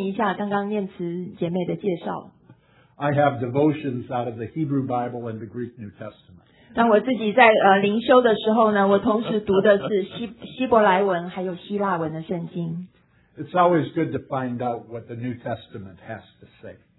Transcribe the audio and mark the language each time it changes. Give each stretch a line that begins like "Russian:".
Chinese: 我需要纠正一下刚刚念慈姐妹的介绍。
English: I have devotions out of the Hebrew Bible and the Greek New Testament.
Chinese: 当我自己在灵修的时候呢，我同时读的是希伯来文还有希腊文的圣经。
English: It's always good to find out what the New Testament has to say.